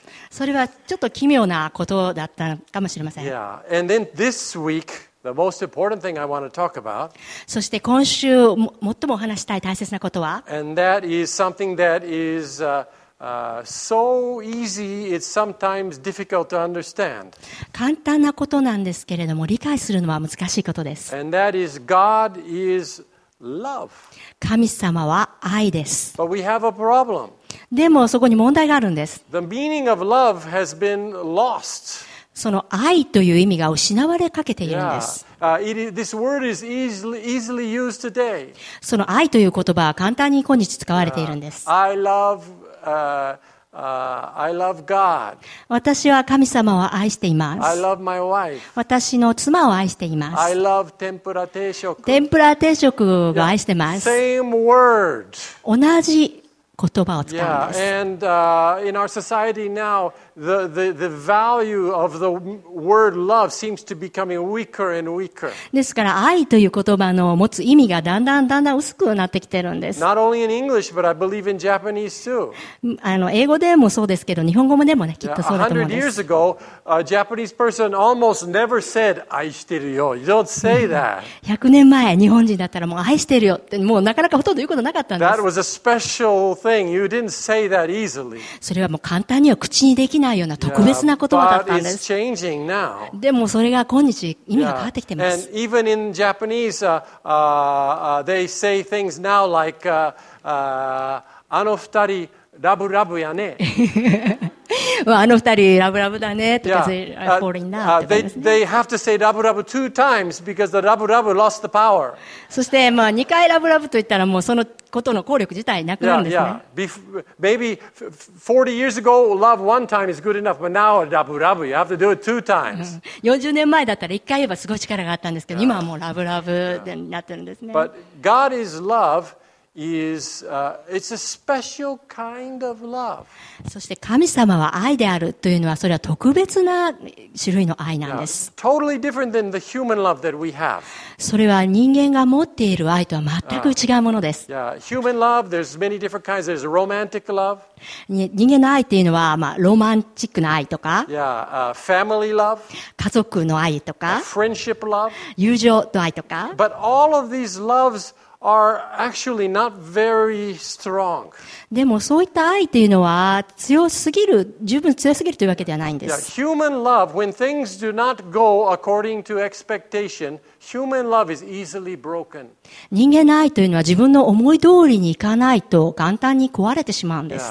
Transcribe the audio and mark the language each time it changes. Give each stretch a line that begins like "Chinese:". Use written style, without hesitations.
Japanese: それはちょっと奇妙なことだったかもしれません。
English: Yeah. And then this week, the most important thing I want to talk about,
Japanese: そして今週最もお話したい大切なことは、
English: And that is something that is, so easy, it's sometimes difficult to understand.
Japanese: 簡単なことなんですけれども、理解するのは難しいことです。
English: And that is God is love.
Japanese: 神様は愛です。
English: But we have a problem.
Japanese: でもそこに問題があるんです。
English: The meaning of love has been lost.
Japanese: その愛という意味が失われかけているんです。
English: Yeah. This word is easily used today.
Japanese: その愛という言葉は簡単に今日使われているんです。
English: I love, I love God.
Japanese: 私は神様を愛しています。
English: I love my wife.
Japanese: 私の妻を愛しています。
English: I love 天ぷら定食。
Japanese: 天ぷら定食を愛しています。
English: Same word.
Japanese: 同じ言葉を使うんです。
English: Yeah. And, in our society now, the value of the word love seems to be becoming weaker and weaker.
Japanese: ですから、愛という言葉の持つ意味がだんだん薄くなってきてるんです。
English: Not only in English, but I believe in Japanese too.
Japanese: 英語でもそうですけど、日本語でもね、きっとそうだと思います。
English: 100 years ago, a Japanese person almost never said,
Japanese: 愛してるよ。
English: You don't say that.
Japanese: 100年前、日本人だったらもう愛してるよって、もうなかなかほとんど言うことなかったんです。
English: That was a special thing. You didn't say that easily.
Japanese: それはもう簡単には口にできないような特別な言葉だったんです。
English: But it's changing now.
Japanese: でもそれが今日意味が変わってきてます。
English: And even in Japanese, they say things now like,
Japanese: あの二人、ラブラブやね。あの二人ラブラブだねとか、yeah.
English: falling in love
Japanese: とかですね。
English: They have to say ラブラブ two times because the ラブラブ lost the power。
Japanese: そして、まあ、二回ラブラブと言ったらもうそのことの効力自体なくなるんですね。
English: Yeah, yeah. Maybe 40 years ago, love one time is good enough, but now ラブラブ you have to do it two times。
Japanese: 40年前だったら一回言えばすごい力があったんですけど、yeah. 今はもうラブラブになってるんですね。Yeah.
English: But God is love. Is it's a special kind of love.
Japanese: そして神様は愛であるというのは、それは特別な種類の愛なんです。
English: Yeah, totally different than the human love that we have.
Japanese: それは人間が持っている愛とは全く違うものです。
English: Yeah, human love, there's many different kinds. There's romantic love.
Japanese: 人間の愛というのは、まあ、ロマンチックな愛とか、
English: yeah, family love.
Japanese: 家族の愛とか、
English: friendship love.
Japanese: 友情の愛とか。
English: But all of these loves. Are actually not very strong.
Japanese: でもそういった愛というのは強すぎる、十分強すぎるというわけではないんです。
English: Yeah, human love, when things do not go according to expectation, human love is easily broken.
Japanese: 人間の愛というのは自分の思い通りにいかないと簡単に壊れてしまうんです。